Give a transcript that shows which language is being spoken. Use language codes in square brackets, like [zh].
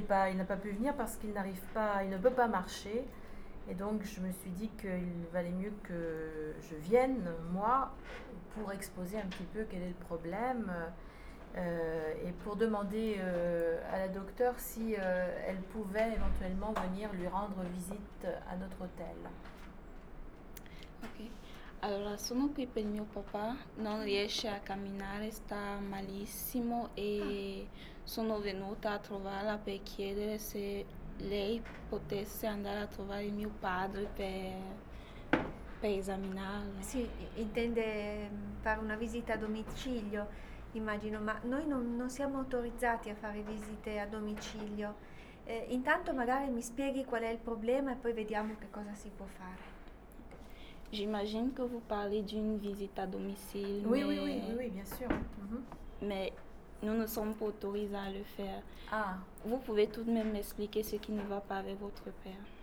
[fr] Il n'a pas pu venir parce qu'il n'arrive pas, il ne peut pas marcher. Et donc, je me suis dit qu'il valait mieux que je vienne, moi, pour exposer un petit peu quel est le problème, et pour demander, à la docteure si, elle pouvait éventuellement venir lui rendre visite à notre hôtel. Okay. [it] Allora, sono qui per mio papà, non riesce a camminare, sta malissimo e sono venuta a trovarla per chiedere se lei potesse andare a trovare mio padre per esaminarlo. Sì, intende fare una visita a domicilio, immagino, ma noi non siamo autorizzati a fare visite a domicilio. Intanto magari mi spieghi qual è il problema e poi vediamo che cosa si può fare. [fr] J'imagine que vous parlez d'une visite à domicile, Oui, bien sûr. mais nous ne sommes pas autorisés à le faire. Ah. Vous pouvez tout de même m'expliquer ce qui ne va pas avec votre père.